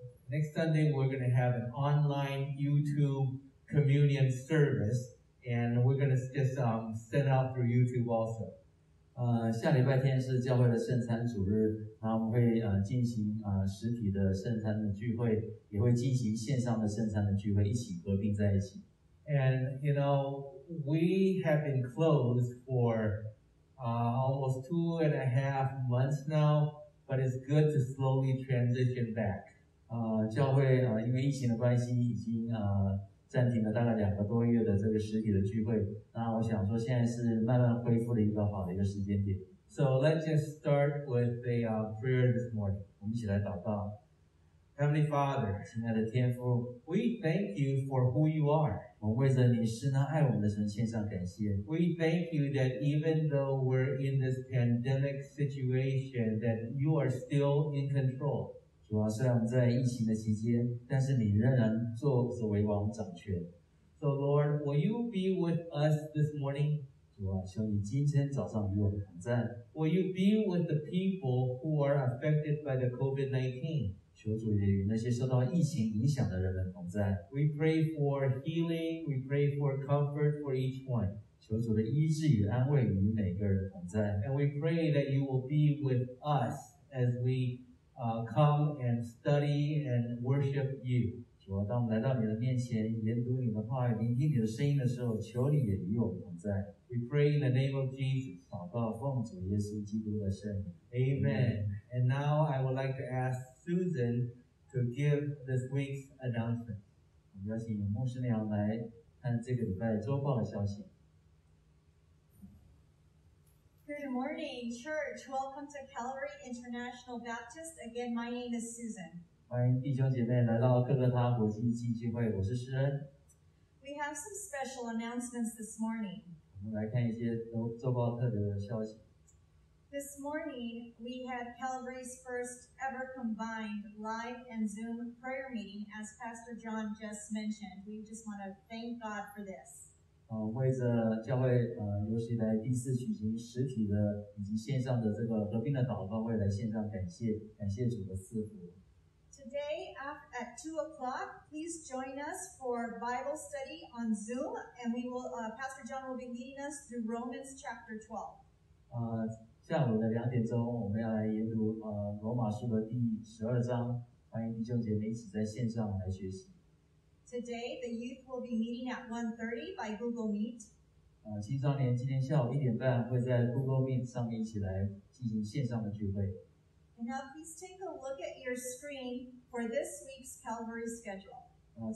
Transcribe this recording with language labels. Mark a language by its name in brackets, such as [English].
[English] Next Sunday we're going to have an online YouTube communion service, and we're going to just send out through YouTube also. [Chinese] 下礼拜天是教会的圣餐主日，然后我们会进行实体的圣餐的聚会，也会进行线上的圣餐的聚会，一起合并在一起。 [English] And you know, we have been closed for almost 2.5 months now, but it's good to slowly transition back. [Chinese] 教会因为疫情的关系已经暂停了大概两个多月的这个实体的聚会，那我想说现在是慢慢恢复的一个好的一个时间点。 [English] So let's just start with the prayer this morning. [Chinese] 我们一起来祷告。 [English] Heavenly Father, [Chinese] 亲爱的天父， [English] we thank you for who you are. [Chinese] 我们为着你是那爱我们的神献上感谢。 [English] We thank you that even though we're in this pandemic situation, that you are still in control. [Chinese] 主啊，虽然我们在疫情的期间，但是你仍然作为王掌权。 [English] So Lord, will you be with us this morning? [Chinese] 求你今天早上与我们同在。 [English] Will you be with the people who are affected by the COVID-19? [Chinese] 求主也与那些受到疫情影响的人们同在。 [English] We pray for healing, we pray for comfort for each one. [Chinese] 求主的医治与安慰与每个人同在。 [English] And we pray that you will be with us as we come and study and worship you. [Chinese] 主啊，当我们来到你的面前，研读你的话语，聆听你的声音的时候，求你也与我们同在。 [English] We pray in the name of Jesus. [Chinese] 祷告奉主耶稣基督的圣名。 [English] Amen. And now I would like to ask Susan to give this week's announcement. [Chinese] 我们邀请牧师娘来看这个礼拜周报的消息。 [English] Good morning, church. Welcome to Calvary International Baptist. Again, my name is Susan. [Chinese] 欢迎弟兄姐妹来到哥伦哈国际浸信会，我是诗恩。 [English] We have some special announcements this morning. [Chinese] 我们来看一些周报特别的消息。 [English] This morning, we had Calvary's first ever combined live and Zoom prayer meeting, as Pastor John just mentioned. We just want to thank God for this. [Chinese] 为着教会有史以来第一次举行实体的以及线上的这个合并的祷告会，来线上感谢主的赐福。 [English] Today at 2 o'clock, please join us for Bible study on Zoom, and Pastor John will be leading us through Romans chapter 12. [Chinese] 下午的两点钟，我们要来研读罗马书的第十二章，欢迎弟兄姐妹一起在线上来学习。 [English] Today, the youth will be meeting at 1:30 by Google Meet. [Chinese] 青少年今天下午一点半会在 Google Meet 上面一起来进行线上的聚会。 [English] Now please take a look at your screen for this week's Calvary schedule.